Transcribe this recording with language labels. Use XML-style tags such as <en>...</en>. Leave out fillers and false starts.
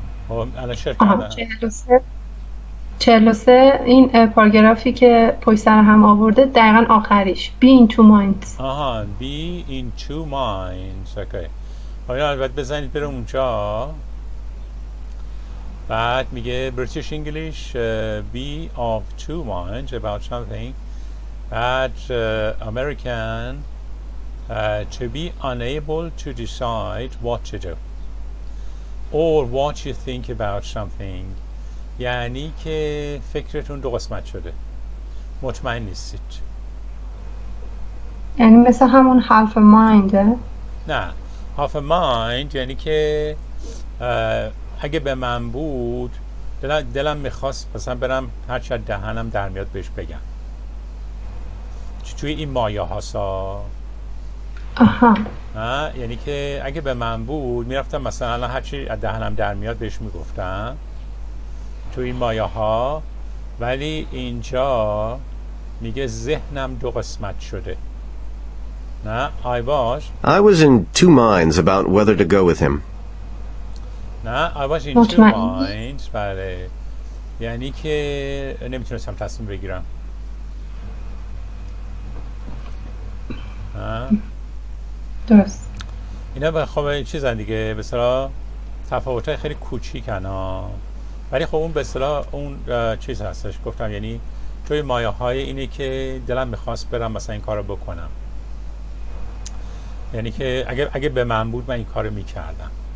<fa>الان شیر کردم. 43 این پاراگرافی که پشت سر هم آورده دقیقا آخریش be in two minds.</fa> <en>آها be in two minds. Okay.</en> <fa>حالا باید بزنید برم اونجا.</fa> <en>بعد میگه British English be of two minds about something. بعد American to be unable to decide what to do or what you think about something.</en> <fa>یعنی که فکرتون دو قسمت شده، مطمئن نیستید. یعنی مثل همون half a mind. نه، half a mind یعنی که اگه به من بود دلم میخواست مثلا برم هر چه دهنم در میاد بهش بگم، توی این مایه هاسا. آها. یعنی که اگه به من بود میرفتم مثلا الان هر چه دهنم در میاد بهش میگفتم توی این مایه ها، ولی اینجا میگه ذهنم دو قسمت شده.</fa> <en>نه I was in two minds about whether to go with him. نه I was in two minds.</en> <fa>بله، یعنی که نمیتونستم تصمیم بگیرم. درست. اینا خب چیز هم دیگه، به اصطلاح تفاوت های خیلی کوچیک هن، ولی خب اون به اصطلاح اون چیز هستش گفتم، یعنی توی مایه های اینه که دلم میخواست برم مثلا این کار رو بکنم، یعنی که اگه به من بود من این کار رو میکردم،</fa>